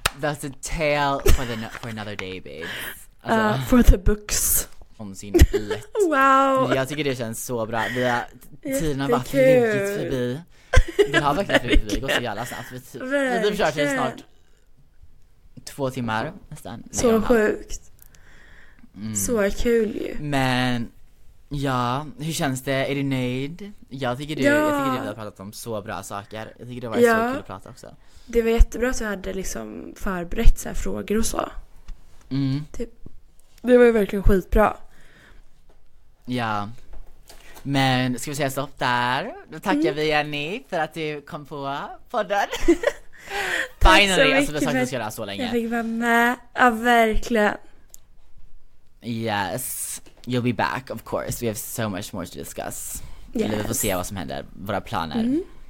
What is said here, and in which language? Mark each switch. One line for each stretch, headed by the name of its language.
English: That's a tale for the for another day, babe.
Swedish: Alltså,
English: for the books. Omsin. Wow.
Swedish: Jag tycker det känns så bra. Vi har tiden har varit flugit förbi. Det har verkligen flugit förbi. Det går så jävla snabbt. Vi försöker snart 2 timmar nästan. Så sjukt. Så kul ju. Men ja, hur känns det? Är du nöjd? Jag tycker du har pratat om så bra saker. Jag tycker det var så kul att prata också. Det var jättebra att jag hade liksom förberett så här frågor och så. Det var ju verkligen skitbra. Ja. Men ska vi säga stopp där? Då tackar vi Jenny för att du kom på podden.
English: Finally,
Swedish: alltså vi har sagt att vi ska göra så länge. Jag fick vara med, ja verkligen.
English: Yes, you'll be back of course. We have so much more to discuss. Yes.
Swedish: Vi får se vad som händer, våra planer.